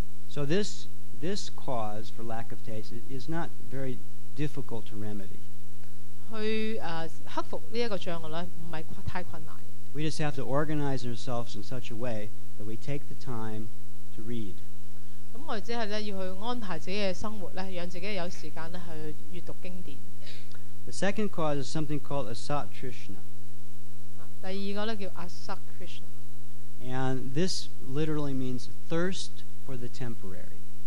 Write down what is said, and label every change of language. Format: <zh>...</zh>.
<en>So this cause for lack of taste is not very difficult to remedy.</en> <zh>去克服这个障碍，不是太困难。</zh> <en>We just have to organize ourselves in such a way that we take the time to read.</en> <zh>我们只是要去安排自己的生活，让自己有时间去阅读经典。</zh> <en>The second cause is something called Asat Krishna.</en> <zh>第二个叫Asat Krishna.</zh> <en>And this literally means thirst for the temporary.</en>